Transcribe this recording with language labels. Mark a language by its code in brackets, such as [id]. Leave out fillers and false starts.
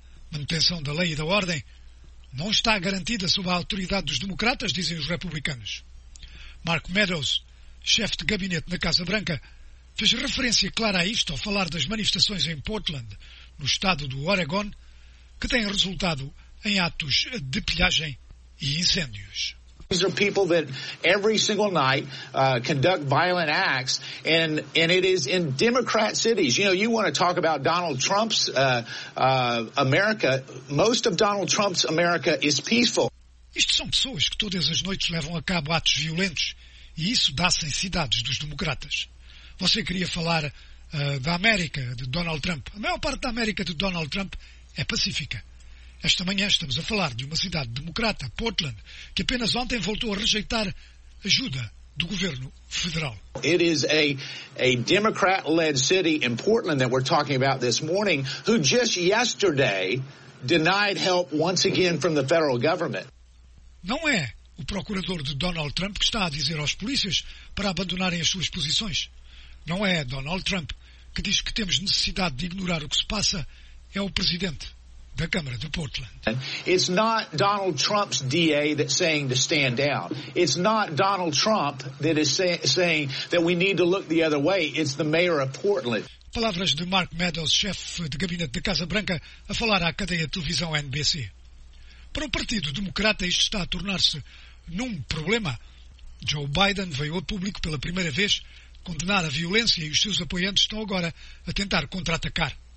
[pt] Manutenção da lei e da ordem não está garantida sob a autoridade dos democratas, dizem os republicanos. Mark Meadows, chefe de gabinete na Casa Branca, fez referência clara a isto ao falar das manifestações em Portland, no estado do Oregon, que têm resultado em atos de pilhagem e incêndios. [en] These are people that every single night conduct violent acts, and it is in Democrat cities. You know, you want to talk about Donald Trump's America. Most of Donald Trump's America is peaceful. [pt] Isto são pessoas que todas as noites levam a cabo atos violentos, e isso dá-se em cidades dos democratas. Você queria falar da América, de Donald Trump. A maior parte da América de Donald Trump é pacífica. Esta manhã estamos a falar de uma cidade democrata, Portland, que apenas ontem voltou a rejeitar ajuda do governo federal. [en] It is a Democrat-led city in Portland that we're talking about this morning, who just yesterday denied help once again from the federal government. [pt] Não é o procurador de Donald Trump que está a dizer aos polícias para abandonarem as suas posições. Não é Donald Trump que diz que temos necessidade de ignorar o que se passa, é o presidente da Câmara de Portland. [en] It's not Donald Trump's DA that's saying to stand down. It's not Donald Trump that is saying that we need to look the other way. It's the mayor of Portland. [pt] Palavras de Mark Meadows, chefe de gabinete da Casa Branca, a falar à cadeia de televisão NBC. Para o Partido Democrata, isto está a tornar-se num problema. Joe Biden veio a público pela primeira vez condenar a violência e os seus apoiantes estão agora a tentar contra-atacar.